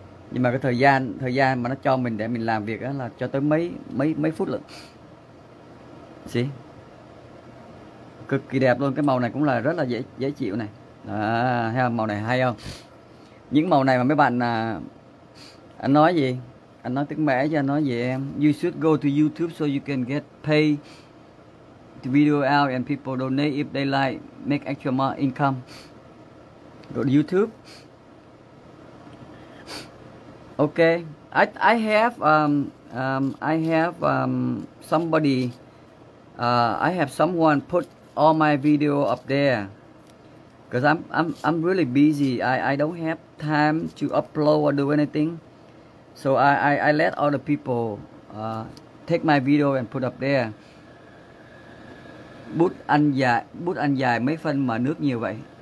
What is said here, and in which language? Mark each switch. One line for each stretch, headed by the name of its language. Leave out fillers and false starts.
Vietnamese: Nhưng mà cái thời gian mà nó cho mình để mình làm việc đó là cho tới mấy mấy mấy phút lận. Xí. Cực kỳ đẹp luôn, cái màu này cũng là rất là dễ dễ chịu này. À, thấy không? Màu này hay không? Những màu này mà mấy bạn à, anh nói gì? Anh nói tiếng Mẹ cho anh nói gì em?
English: You should go to YouTube so you can get pay video out and people donate if they like, make extra more income. Go to YouTube. Okay, I have someone put all my video up there. Cause I'm really busy. I don't have time to upload or do anything. So I let all the people take my video and put up there.
Vietnamese: Bút anh dài mấy phân mà nước nhiều vậy?